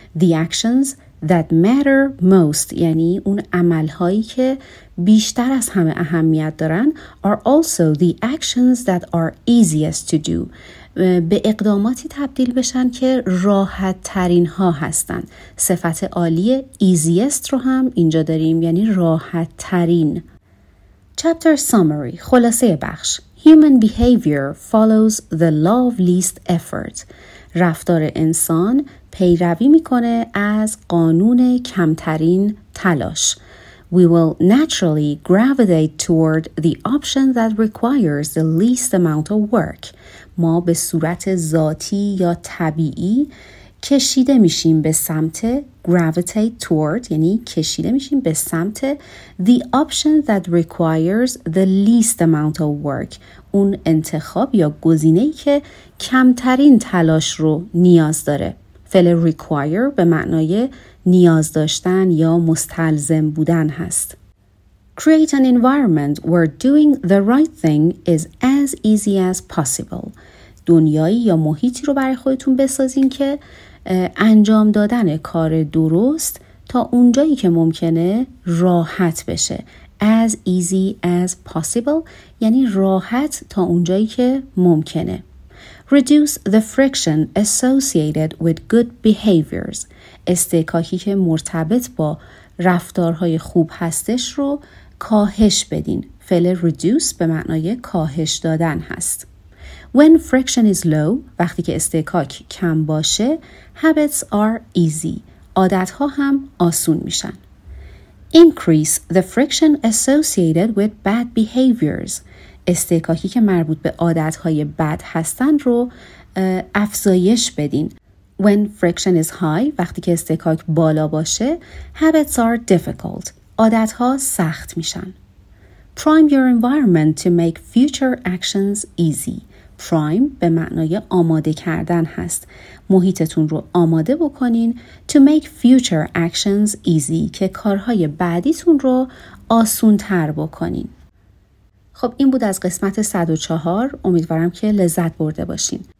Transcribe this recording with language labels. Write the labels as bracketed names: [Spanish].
[English] The actions that matter most [Persian] یعنی اون عملهایی که بیشتر از همه اهمیت دارن [English] are also the actions that are easiest to do، [Persian] به اقداماتی تبدیل بشن که راحت ترین ها هستن. صفت عالی easiest رو هم اینجا داریم، یعنی راحت ترین. [English] Chapter summary، [Persian] خلاصه بخش. [English] Human behavior follows the law of least effort. [Persian] رفتار انسان پیروی میکنه از قانون کمترین تلاش. [English] We will naturally gravitate toward the option that requires the least amount of work. [Persian] ما به صورت ذاتی یا طبیعی کشیده میشیم به سمت، gravitate toward یعنی کشیده میشیم به سمت، [English] the option that requires the least amount of work، [Persian] اون انتخاب یا گزینه‌ای که کمترین تلاش رو نیاز داره. فعل require به معنای نیاز داشتن یا مستلزم بودن هست. [English] Create an environment where doing the right thing is as easy as possible. [Persian] دنیایی یا محیطی رو برای خودتون بسازین که انجام دادن کار درست تا اونجایی که ممکنه راحت بشه. [English] As easy as possible [Persian] یعنی راحت تا اونجایی که ممکنه. [English] Reduce the friction associated with good behaviors. [Persian] استکاکی که مرتبط با رفتارهای خوب هستش رو کاهش بدین. فعل reduce به معنای کاهش دادن هست. [English] When friction is low, [Persian] وقتی که استکاک کم باشه, [English] habits are easy. [Persian] عادتها هم آسون میشن. [English] Increase the friction associated with bad behaviors. [Persian] استکاکی که مربوط به عادتهای بد هستن رو افزایش بدین. [English] When friction is high, [Persian] وقتی که استکاک بالا باشه, [English] habits are difficult. [Persian] عادتها سخت میشن. [English] Prime your environment to make future actions easy. [Persian] Prime به معنای آماده کردن هست. محیطتون رو آماده بکنین [English] to make future actions easy [Persian] که کارهای بعدیتون رو آسون تر بکنین. خب این بود از قسمت 104. امیدوارم که لذت برده باشین.